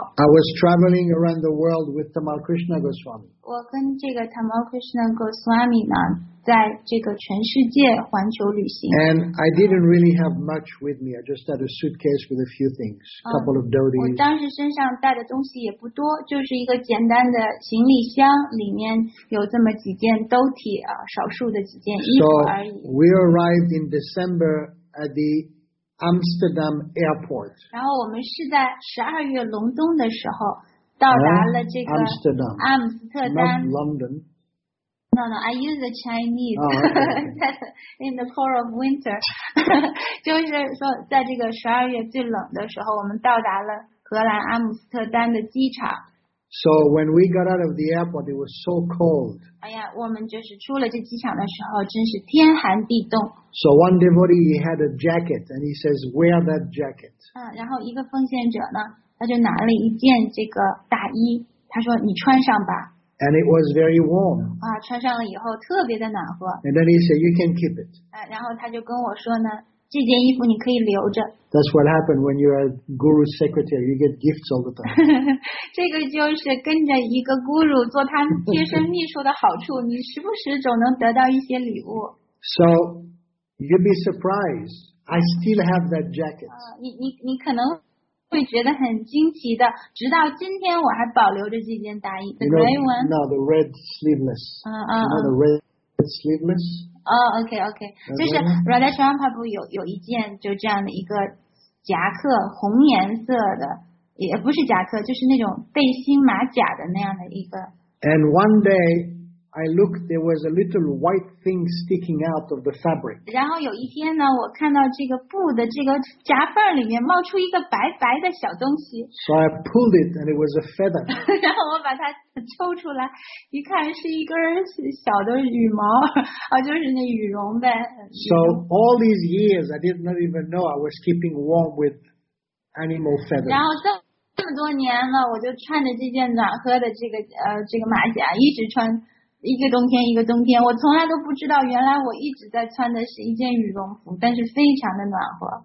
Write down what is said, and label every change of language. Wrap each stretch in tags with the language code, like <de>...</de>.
<en>I was traveling around the world with Tamal Krishna Goswami.</en> <zh>我跟这个 Tamal Krishna Goswami 呢，在这个全世界环球旅行。</zh> <en>And I didn't really have much with me. I just had a suitcase with a few things, couple of dhotis.</en> <zh>我当时身上带的东西也不多，就是一个简单的行李箱，里面有这么几件 dhoti 啊，少数的几件衣服而已。</zh> <en>So we arrived in December at the Amsterdam airport.</en> <zh>然后我们是在十二月隆冬的时候。到达了这个</zh> <en>Amsterdam, not London. No, no, I use the Chinese. Oh, okay. In the core of winter.</en> <zh>就是说在这个12月最冷的时候，我们到达了荷兰阿姆斯特丹的机场。</zh> <en>So when we got out of the airport, it was so cold.</en> <zh>哎呀，我们就是出了这机场的时候，真是天寒地冻。</zh> <en>So one devotee, he had a jacket, and he says, wear that jacket.</en> <zh>然后一个奉献者呢，他就拿了一件这个大衣，他说你穿上吧。</zh> <en>And it was very warm.</en> <zh>穿上了以后特别的暖和。</zh> <en>And then he said, you can keep it.</en> <zh>然后他就跟我说呢，这件衣服你可以留着。</zh> <en>That's what happened when you're a guru's secretary. You get gifts all the time.</en> <zh>这个就是跟着一个 guru 做他贴身秘书的好处，你时不时总能得到一些礼物。</zh> <en>So, you'd be surprised. I still have that jacket.</en> <zh>你可能会觉得很惊奇的，直到今天我还保留着这件大衣 ，</zh> <en>the gray one. No, the red sleeveless. The red sleeveless.</en> <zh>Okay. 就是 Radha Chandra Prabhu 有一件就这样的一个夹克，红颜色的，也不是夹克，就是那种背心马甲的那样的一个。</zh> <en>And one day I looked, there was a little white thing sticking out of the fabric.</en> <zh>然后有一天呢，我看到这个布的这个夹缝里面冒出一个白白的小东西。</zh> <en>So I pulled it, and it was a feather.</en> <zh>然后我把它抽出来，一看是一根小的羽毛，就是那羽绒呗。</zh> <en>So all these years, I did not even know I was keeping warm with animal feathers.</en> <zh>然后这么多年了，我就穿着这件暖和的这个马甲，一直穿。一个冬天一个冬天，我从来都不知道原来我一直在穿的是一件羽绒服，但是非常的暖和。</zh>